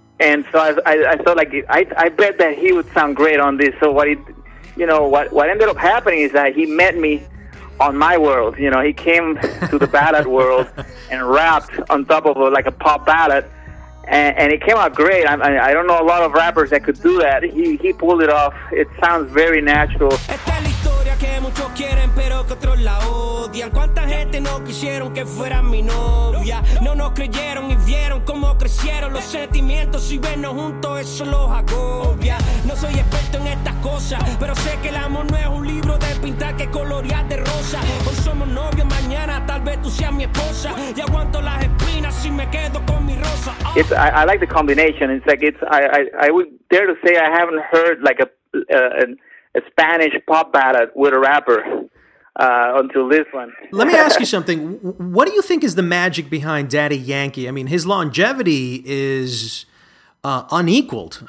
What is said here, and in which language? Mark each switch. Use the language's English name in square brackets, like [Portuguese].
[English] And so I felt like I bet that he would sound great on this. So what ended up happening is that he met me on my world. You know, he came to the ballad world and rapped on top of like a pop ballad, and it came out great. I don't know a lot of rappers that could do that. He pulled it off. It sounds very natural. [Spanish] Muchos quieren pero que otros la odian. Cuánta gente no quisieron que fuera mi novia. No nos creyeron y vieron cómo crecieron los sentimientos. Si vernos juntos eso los agobia. No soy experto en estas cosas, pero sé que el amor no es un libro de pintar que colorear de rosa. Hoy somos novios, mañana tal vez tú seas mi esposa. Y aguanto las espinas si me quedo con mi rosa. [English] I like the combination. It's like I would dare to say I haven't heard like a Spanish pop ballad with a rapper until this one. Let me ask you something. What do you think is the magic behind Daddy Yankee? I mean, his longevity is unequaled.